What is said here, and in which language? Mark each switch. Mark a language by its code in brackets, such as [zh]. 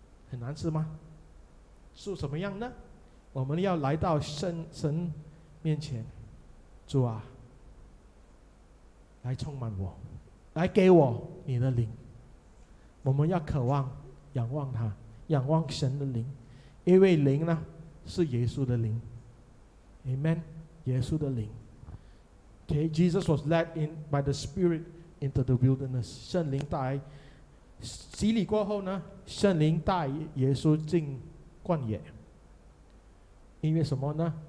[zh] 很难吃吗？是什么样呢？我们要来到神面前，主啊，来充满我，来给我你的灵。我们要渴望仰望他，仰望神的灵，因为灵呢是耶稣的灵。 Amen， 耶稣的灵。 [en] Okay, Jesus was led in by the Spirit into the wilderness. [zh] 圣灵带洗礼过后呢，圣灵带耶稣进旷野，因为什么呢？